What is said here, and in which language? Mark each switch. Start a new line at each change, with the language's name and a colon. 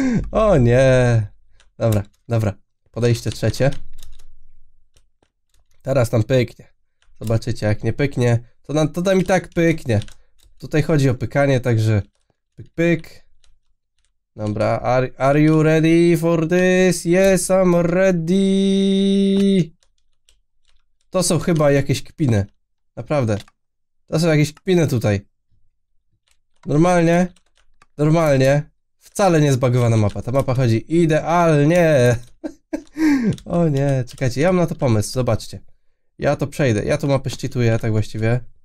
Polish: O nie. Dobra, dobra. Podejście trzecie. Teraz tam pyknie. Zobaczycie, jak nie pyknie, to nam to tam i tak pyknie. Tutaj chodzi o pykanie, także pyk, pyk. Dobra,
English: are you ready for this? Yes, I'm ready.
Polish: To są chyba jakieś kpiny. Naprawdę. To są jakieś kpiny tutaj. Normalnie. Normalnie. Wcale nie zbugowana mapa. Ta mapa chodzi idealnie. O nie, czekajcie, ja mam na to pomysł, zobaczcie. Ja to przejdę, ja tu mapę szczytuję, tak właściwie.